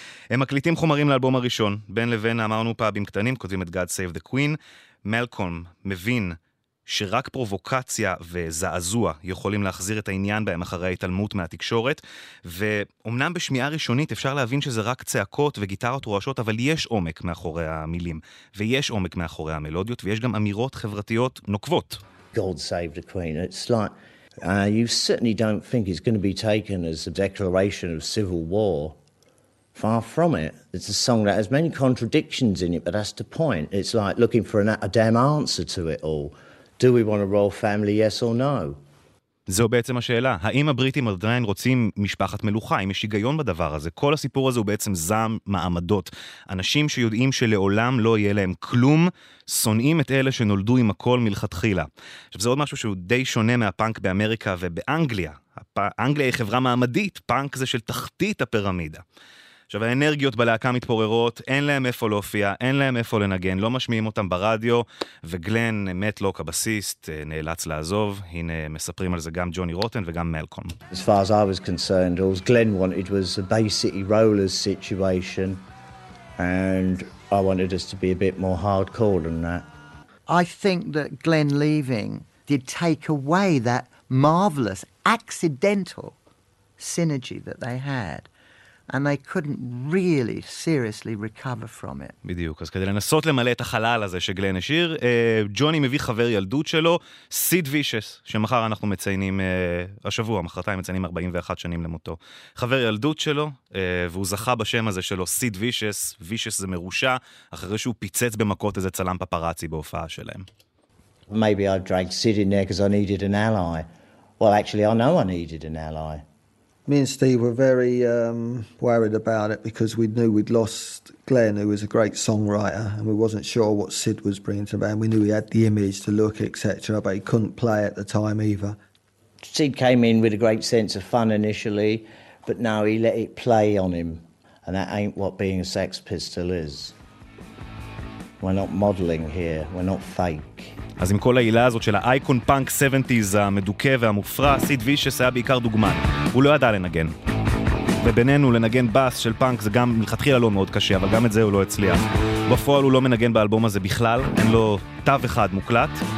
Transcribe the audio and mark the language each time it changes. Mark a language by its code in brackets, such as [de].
[he] הם מקליטים חומרים לאלבום הראשון, בין לבין אמרנו פאבים קטנים, כותבים את God Save the Queen, מלקום מבין שרק פרובוקציה וזעזוע יכולים להחזיר את העניין בהם אחרי ההתעלמות מהתקשורת, ואומנם בשמיעה ראשונית אפשר להבין שזה רק צעקות וגיטרות רועשות, אבל יש עומק מאחורי המילים, ויש עומק מאחורי המלודיות, ויש גם אמירות חברתיות נוקבות. [en] God save the queen. It's like, you certainly don't think it's going to be taken as a declaration of civil war. Far from it. It's a song that has many contradictions in it, but that's the point. It's like looking for a damn answer to it all. Do we want a royal family, yes or no? [he] זו בעצם השאלה. האם הבריטים עדיין רוצים משפחת מלוכה? האם יש היגיון בדבר הזה? כל הסיפור הזה הוא בעצם זעם מעמדות. אנשים שיודעים שלעולם לא יהיה להם כלום, שונאים את אלה שנולדו עם הכל מלכתחילה. עכשיו, זה עוד משהו שהוא די שונה מהפאנק באמריקה ובאנגליה. אנגליה היא חברה מעמדית, פאנק זה של תחתית הפירמידה. עכשיו, האנרגיות בלהקה מתפוררות, אין להם איפה להופיע, אין להם איפה לנגן, לא משמיעים אותם ברדיו, וגלן, מטלוק, הבסיסט, נאלץ לעזוב. הנה, מספרים על זה גם ג'וני רוטן וגם מלקום. [en] As far as I was concerned, all Glenn wanted was a Bay City Rollers situation, and I wanted us to be a bit more hardcore than that. I think that Glenn leaving did take away that marvelous, accidental synergy that they had. And they couldn't really seriously recover from it. [he] בדיוק, אז כדי לנסות למלא את החלל הזה שגלן השאיר, ג'וני מביא חבר ילדות שלו, סיד וישס, שמחר אנחנו מציינים, השבוע, מחרתיים מציינים 41 שנים למותו. חבר ילדות שלו, והוא זכה בשם הזה שלו, סיד וישס, וישס זה מרושע, אחרי שהוא פיצץ במכות איזה צלם פפרצי בהופעה שלהם. [en] Maybe I dragged Sid in there because I needed an ally. Well, actually, I know I needed an ally. Me and Steve were very worried about it because we knew we'd lost Glenn, who was a great songwriter, and we wasn't sure what Sid was bringing to the band. We knew he had the image, the look, etc., but he couldn't play at the time either. Sid came in with a great sense of fun initially, but now he let it play on him, and that ain't what being a Sex Pistol is. We're not modeling here, we're not fake. [he] אז עם כל העילה הזאת של האייקון פאנק 70's המדוכה והמופרע, סיד וישס היה בעיקר דוגמן. הוא לא ידע לנגן. ובינינו, לנגן בס של פאנק זה גם מלכתחילה לא מאוד קשה, אבל גם את זה הוא לא הצליח. בפועל הוא לא מנגן באלבום הזה בכלל, אין לו תו אחד מוקלט.